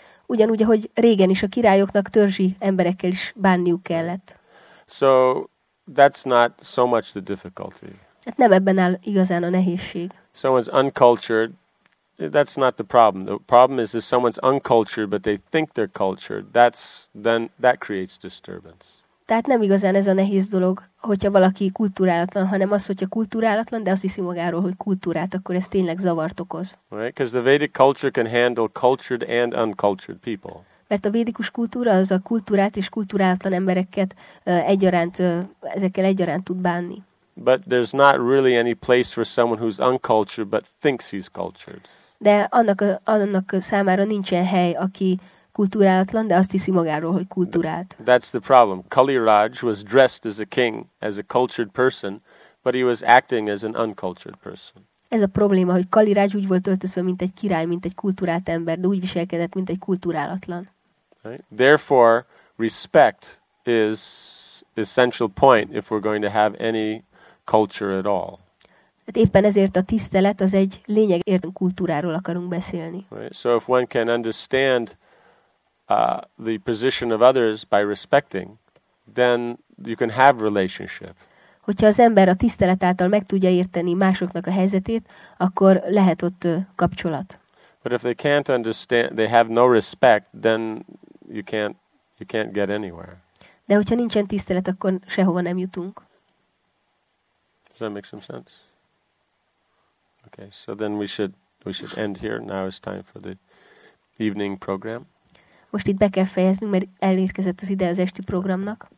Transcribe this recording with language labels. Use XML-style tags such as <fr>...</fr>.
<hu>Ugyanúgy, ahogy régen is a királyoknak törzsi emberekkel is bánniuk kellett.</hu> <en>So that's not so much the difficulty.</en> <hu>Hát nem ebben áll igazán a nehézség.</hu> <en>Someone's uncultured, that's not the problem. The problem is if someone's uncultured, but they think they're cultured, that creates disturbance.</en> <hu>Tehát nem igazán ez a nehéz dolog, hogyha valaki kulturálatlan, hanem az, hogyha kulturálatlan, de azt hiszi magáról, hogy kultúrát, akkor ez tényleg zavart okoz.</hu> <en>Right, because the Vedic culture can handle cultured and uncultured people.</en> <hu>Mert a védikus kultúra az a kultúrát és kulturálatlan embereket egyaránt, ezekkel egyaránt tud bánni.</hu> <en>But there's not really any place for someone who's uncultured but thinks he's cultured.</en> <hu>De annak számára nincsen hely, aki kulturálatlan, de azt hiszi magáról, hogy kultúrált.</hu> <en>That's the problem. Kali Raj was dressed as a king, as a cultured person, but he was acting as an uncultured person.</en> <hu>Ez a probléma, hogy Kali Raj úgy volt öltözve, mint egy király, mint egy kultúrált ember, de úgy viselkedett, mint egy kulturálatlan.</hu> <en>Right? Therefore, respect is essential point if we're going to have any culture at all.</en> <hu>Hát éppen ezért a tisztelet az egy lényeg, értünk kultúráról akarunk beszélni.</hu> <en>Right? So if one can understand the position of others by respecting, then you can have relationship.</en> <hu>Hogyha az ember a tisztelet által meg tudja érteni másoknak a helyzetét, akkor lehet ott kapcsolat.</hu> <en>But if they can't understand, they have no respect, then you can't get anywhere.</en> <hu>De hogyha nincsen tisztelet, akkor sehova nem jutunk.</hu> <en>Does that make some sense? Okay, so then we should end here. Now it's time for the evening program.</en> <hu>Most itt be kell fejeznünk, mert elérkezett az ide az esti programnak.</hu>